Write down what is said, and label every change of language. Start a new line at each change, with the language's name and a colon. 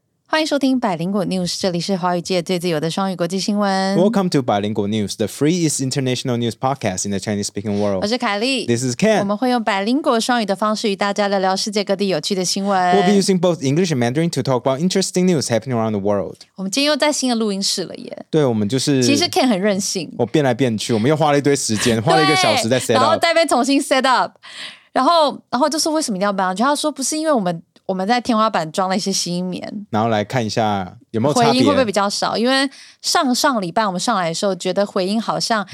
Chinese: 欢迎收听百灵果 news， 这里是华语界最自由的双语国际新闻。
English: Welcome to 百灵果 news， the freest international news podcast in the Chinese speaking world。
Chinese: 我是凯莉
English: ，This is Ken。
Chinese: 我们会用百灵果双语的方式与大家聊聊世界各地有趣的新闻。
English: We'll be using both English and Mandarin to talk about interesting news happening around the world。
Chinese: 我们今天又在新的录音室了耶。对，我们就是。其实 Ken 很任性，我变来变去，我们又花了一堆时间，花了一个小时在 set up，然后在那边重新 set up， 然后就说为什么一定要搬？就他说不是因为我们在天花板装了一些吸音棉，然后来看一下有没有差别，回音会不会比较少？因为上上礼拜我们上来的时候，觉得回音好像